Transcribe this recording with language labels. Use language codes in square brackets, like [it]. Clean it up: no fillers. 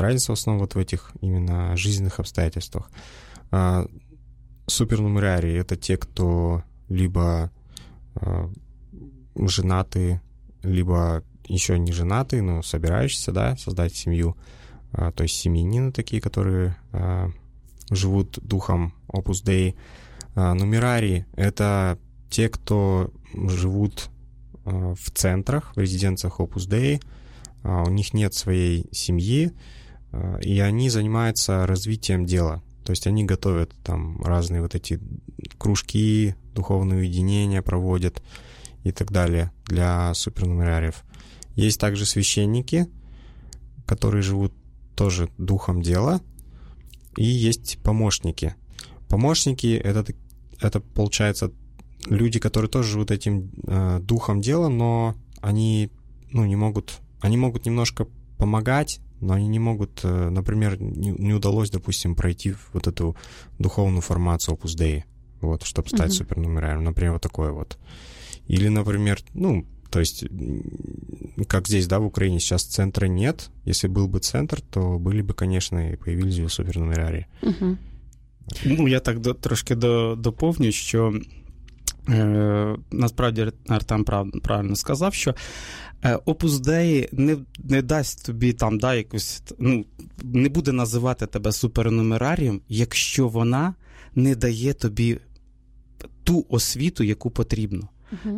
[ru] Разница в основном вот в этих именно жизненных обстоятельствах. Супернумерарии — это те, кто либо женаты, либо еще не женаты, но собираешься, да, создать семью, то есть семьянины такие, которые живут духом Opus Dei. Нумерарии — это те, кто живут в центрах, в резиденциях Opus Dei. У них нет своей семьи, и они занимаются развитием дела. То есть они готовят там разные вот эти кружки, духовные уединения проводят и так далее для супернумерариев. Есть также священники, которые живут тоже духом дела, и есть помощники. Помощники — это получается люди, которые тоже живут этим духом дела, но они, ну, не могут... Они могут немножко помогать, но они не могут, например, не удалось, допустим, пройти вот эту духовную формацию Opus Dei, вот, чтобы стать mm-hmm. супернумерарием, например, вот такое вот. Или, например, ну, то есть, как здесь, да, в Украине сейчас центра нет, если был бы центр, то были бы, конечно, и появились бы супернумерарии. Mm-hmm. [uk] Ну, я так трошки доповню, що насправді Артем правильно сказав, що Opus Dei не дасть тобі там, да, якусь, ну, не буде називати тебе супернумерарієм, якщо вона не дає тобі ту освіту, яку потрібно. Угу.